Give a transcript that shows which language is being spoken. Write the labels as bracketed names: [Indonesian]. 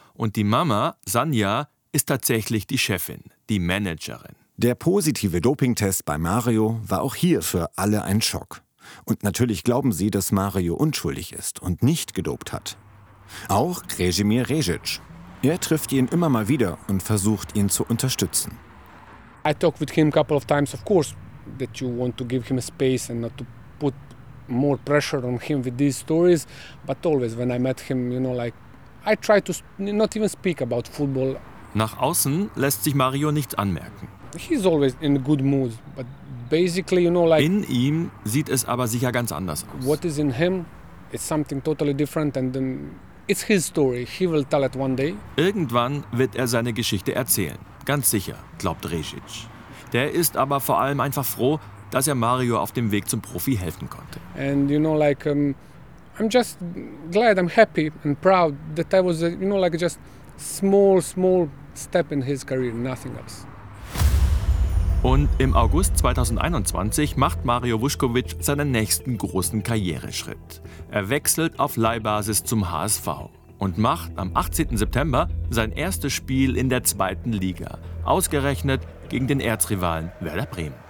[German] Und die Mama, Sanja, ist tatsächlich die Chefin, die Managerin. Der positive Dopingtest bei Mario war auch hier für alle ein Schock. Und natürlich glauben sie, dass Mario unschuldig ist und nicht gedopt hat. Auch Krešimir Rešić. Er trifft ihn immer mal wieder und versucht ihn zu unterstützen. [English] I talk with him a couple of times, of course, that you want to give him space and not to put more pressure on him with these stories. But always when I met him, you know, like I try to not even speak about football. [German] Nach außen lässt sich Mario nichts anmerken. [English] He's always in a good mood, but basically, you know, like [German] in ihm sieht es aber sicher ganz anders aus. [English] What is in him is something totally different, and then it's his story. He will tell it one day. [German] Irgendwann wird er seine Geschichte erzählen, ganz sicher, glaubt Rešić. Der ist aber vor allem einfach froh, dass er Mario auf dem Weg zum Profi helfen konnte. [English] And you know, like I'm just glad, I'm happy and proud that I was, you know, like just small step in his career, nothing else. [German] Und im August 2021 macht Mario Vuškovic seinen nächsten großen Karriereschritt. Er wechselt auf Leihbasis zum HSV und macht am 18. September sein erstes Spiel in der zweiten Liga, ausgerechnet gegen den Erzrivalen Werder Bremen.